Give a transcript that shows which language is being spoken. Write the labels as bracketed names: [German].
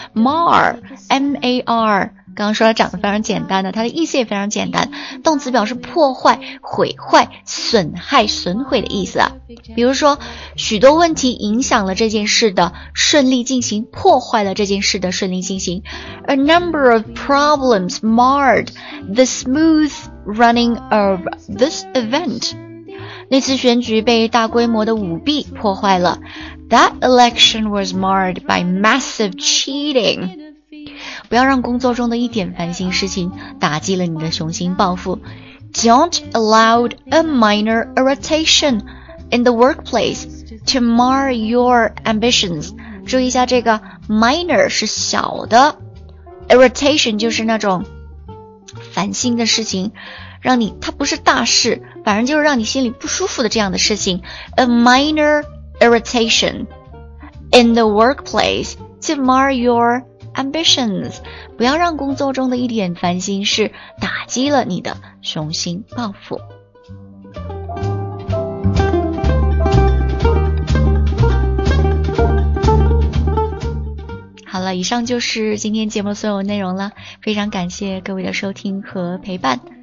[Chinese] mar M-A-R 刚刚说了长得非常简单的，它的意思也非常简单，动词表示破坏、毁坏、损害、损毁的意思啊。比如说，许多问题影响了这件事的顺利进行，破坏了这件事的顺利进行。 [English] A number of problems marred the smoothrunning of this event. [Chinese] 那次选举被大规模的舞弊破坏了。 [English] That election was marred by massive cheating. [Chinese] 不要让工作中的一点烦心事情打击了你的雄心抱负。 [English] Don't allow a minor irritation in the workplace to mar your ambitions. [Chinese] 注意一下这个 minor 是小的， irritation 就是那种烦心的事情，让你，它不是大事，反正就是让你心里不舒服的这样的事情。 [English] A minor irritation in the workplace to mar your ambitions. [Chinese] 不要让工作中的一点烦心事打击了你的雄心抱负。好了，以上就是今天节目所有内容了，非常感谢各位的收听和陪伴。